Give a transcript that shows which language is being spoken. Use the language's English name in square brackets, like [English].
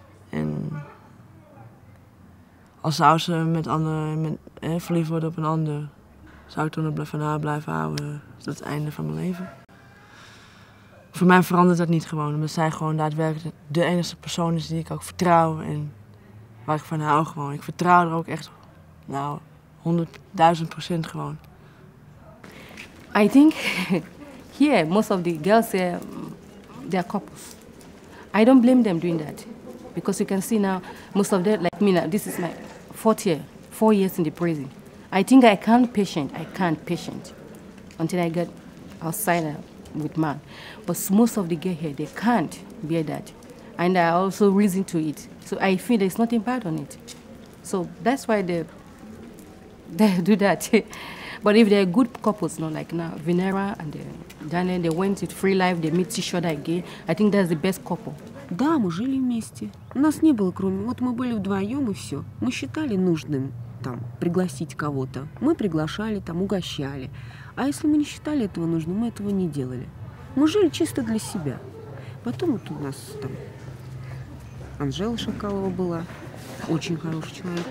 [Dutch] And als zou ze met anderen verliefd worden op een ander, zou ik dan ook van haar blijven houden tot het einde van mijn leven. Voor mij verandert dat niet gewoon, omdat zij gewoon daadwerkelijk de enige persoon is die ik ook vertrouw en waar ik van hou gewoon. Ik vertrouw er ook echt, nou, 100.000% gewoon. [English] I think here most of the girls they are couples. I don't blame them doing that, because you can see now most of them like me now. This is my 4 years in the prison. I think I can't patient. I can't patient until I get outside with man. But most of the girls here, they can't bear that. And I also reason to it. So I feel there's nothing bad on it. So that's why they do that. But if they're good couples, you know, like now, Venera and Daniel, they went to free life, they meet each other again. I think that's the best couple. [Russian] Да, мы жили вместе. У нас не было кроме... Вот мы были вдвоем и все. Мы считали нужным там пригласить кого-то. Мы приглашали, там угощали. А если мы не считали этого нужным, мы этого не делали. Мы жили чисто для себя. Потом вот у нас там Анжела Шакалова была. Очень хороший человек.